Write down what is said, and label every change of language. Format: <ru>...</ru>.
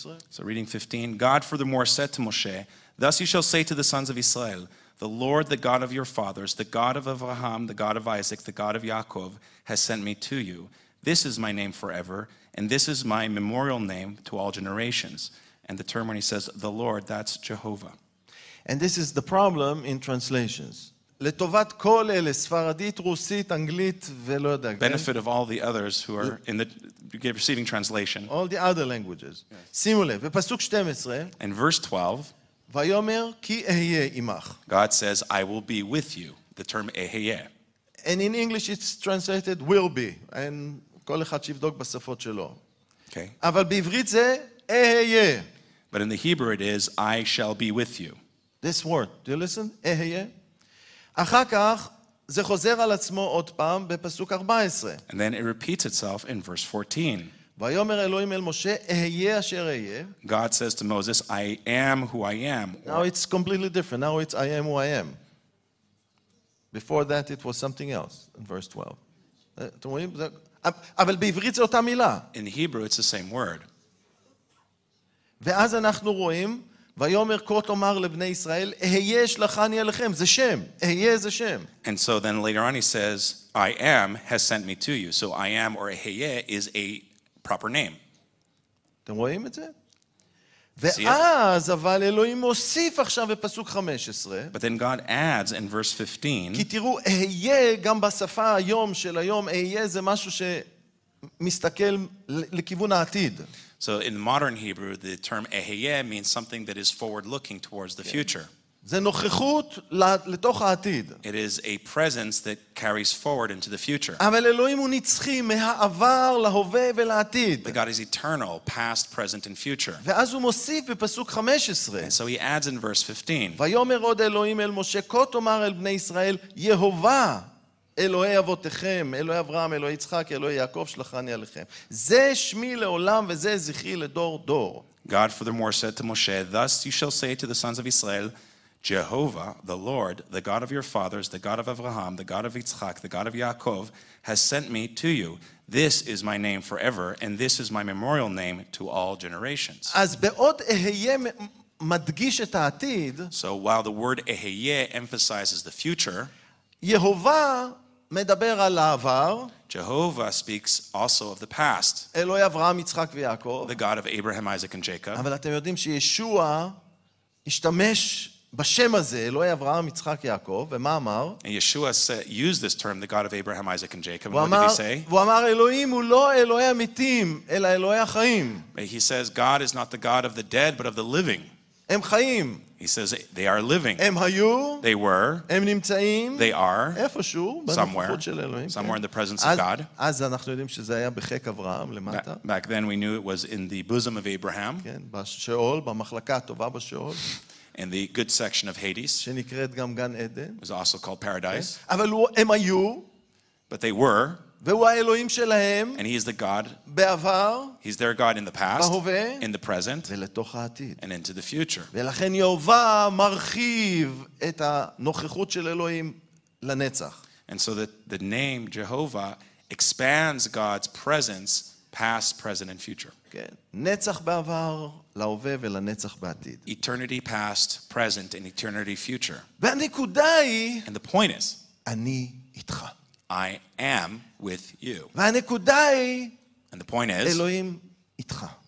<en>So reading 15, God furthermore said to Moshe, Thus you shall say to the sons of Israel, The Lord, the God of your fathers, the God of Abraham, the God of Isaac, the God of Yaakov, has sent me to you. This is my name forever, and this is my memorial name to all generations. And the term when he says, the Lord, that's Jehovah. And this is the problem in translations.</en> <he>לטובת כל אלה, ספרדית, רוסית, אנגלית, ולא יודע.</he> <en>Benefit of all the others who are in the receiving translation. All the other languages.</en> <he>שימו לב, בפסוק 12.</he> <en>And verse 12.</en> <he>ויאמר כי אהיה עמך.</he> <en>God says, I will be with you. The term אהיה. And in English it's translated will be.</en> <he>And כל אחד שיבדוק בשפות שלו.</he> <en>Okay.</en> <he>אבל בעברית זה אהיה.</he> <en>But in the Hebrew it is, I shall be with you. This word. Do you listen? אהיה.</en> <he>אחר כך זה חוזר על עצמו עוד פעם בפסוק 14.</he> <en>And then it repeats itself in verse 14.</en> <he>ויאמר אלוהים אל משה, אהיה אשר אהיה.</he> <en>God says to Moses, I am who I am. Now it's completely different. Now it's I am who I am. Before that it was something else, in verse 12.</en> <he>אתם רואים? אבל בעברית זה אותה מילה.</he> <en>In Hebrew it's the same word.</en> <he>ואז אנחנו רואים, ויאמר כה תאמר לבני ישראל, אהיה שלחני עליכם, זה שם. אהיה זה שם.</he> <en>And so then later on he says, I am has sent me to you. So I am or אהיה is a proper name.</en> <he>אתם רואים את זה? ואז אבל אלוהים מוסיף עכשיו בפסוק 15.</he> <en>But then God adds in verse 15.</en> <he>כי תראו, אהיה גם בשפה היום של היום, אהיה זה משהו שמסתכל לכיוון העתיד.</he> <en>So in modern Hebrew, the term אהיה means something that is forward looking towards the future.</en> <he>זה נוכחות לתוך העתיד.</he> <en>It is a presence that carries forward into the future.</en> <he>אבל אלוהים הוא נצחי מהעבר להווה ולעתיד.</he> <en>But God is eternal, past, present, and future.</en> <he>ואז הוא מוסיף בפסוק 15.</he> <en>And so he adds in verse 15.</en> <he>ויאמר עוד אלוהים אל משה, כה תאמר אל בני ישראל, יהוה, אלוהי אבותיכם, אלוהי אברהם, אלוהי יצחק, אלוהי יעקב, שלחני עליכם. זה שמי לעולם וזה זכי לדור דור.</he> <en>God furthermore said to Moshe, Thus you shall say to the sons of Israel, Jehovah, the Lord, the God of your fathers, the God of Abraham, the God of Yitzchak, the God of Yaakov, has sent me to you. This is my name forever, and this is my memorial name to all generations.</en> <he>אז בעוד אהיה מדגיש את העתיד,</he> <en>so while the word אהיה emphasizes the future,</en> <he>יהוה מדבר על העבר,</he> <en>Jehovah speaks also of the past,</en> <he>אלוהי אברהם, יצחק ויעקב,</he> <en>the God of Abraham, Isaac, and Jacob.</en> <he>אבל אתם יודעים שישוע השתמש בשם הזה, אלוהי אברהם, יצחק, יעקב, ומה אמר?</he> <en>And Yeshua used this term, the God of Abraham, Isaac, and Jacob.</en> <he>והוא אמר, אלוהים הוא לא אלוהי המתים, אלא אלוהי החיים.</he> <en>He says, God is not the God of the dead, but of the living.</en> <he>הם חיים.</he> <en>He says, they are living.</en> <he>הם היו.</he> <en>They were.</en> <he>הם נמצאים.</he> <en>They are.</en> <he>איפשהו.</he> <en>Somewhere.</en> <he>של אלוהים,</he> <en>somewhere</en> <he>כן.</he> <en>in the presence of God.</en> <he>אז אנחנו יודעים שזה היה בחיק אברהם, למטה.</he> <en>Back then we knew it was in the bosom of Abraham.</en> <he>כן, בשאול, במחלקה הטובה בשאול.</he> <en>In the good section of Hades.</en> <he>שנקראת גם גן עדן.</he> <en>It was also called paradise.</en> <he>כן. אבל הם היו.</he> <en>But they were.</en> <he>והוא האלוהים שלהם.</he> <en>And he is the God.</en> <he>בעבר.</he> <en>He's their God in the past.</en> <he>בהווה.</he> <en>In the present.</en> <he>ולתוך העתיד.</he> <en>And into the future.</en> <he>ולכן יהוה מרחיב את הנוכחות של אלוהים לנצח.</he> <en>And so the name Jehovah expands God's presence past, present, and future.</en> <he>כן. נצח בעבר, להווה ולנצח בעתיד.</he> <en>Eternity past, present, and eternity future.</en> <he>והנקודה היא.</he> <en>And the point is.</en> <he>אני איתך.</he> <en>I am with you. And the point is,</en> <he>Elohim itcha.</he>